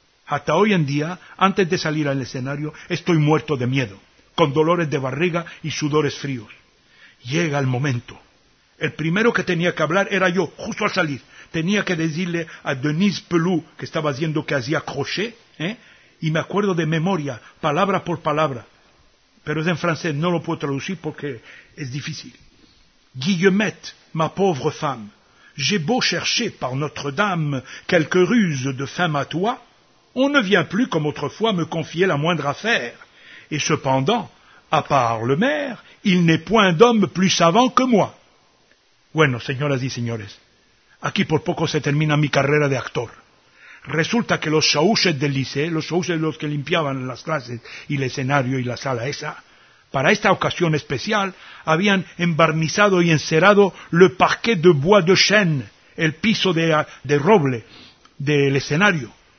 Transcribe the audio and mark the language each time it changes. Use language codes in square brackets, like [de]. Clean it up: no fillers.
[es] Hasta hoy en día, antes de salir al escenario, estoy muerto de miedo, con dolores de barriga y sudores fríos. Llega el momento. El primero que tenía que hablar era yo, justo al salir. Tenía que decirle a Denise Pelou, que estaba haciendo que hacía crochet, y me acuerdo de memoria, palabra por palabra. Pero es en francés, no lo puedo traducir porque es difícil. [fr] Guillemette, ma pauvre femme, j'ai beau chercher par Notre-Dame quelques ruses de femme à toi, on ne vient plus comme autrefois me confier la moindre affaire. Et cependant, à part le maire, il n'est point d'homme plus savant que moi. [es] Bueno, señoras y señores, aquí por poco se termina mi carrera de actor. Resulta que los chauches del liceo, los chauches los que limpiaban las clases y el escenario y la sala esa, para esta ocasión especial, habían embarnizado y encerado [fr] le parquet de bois de chêne, [es] el piso de roble del escenario.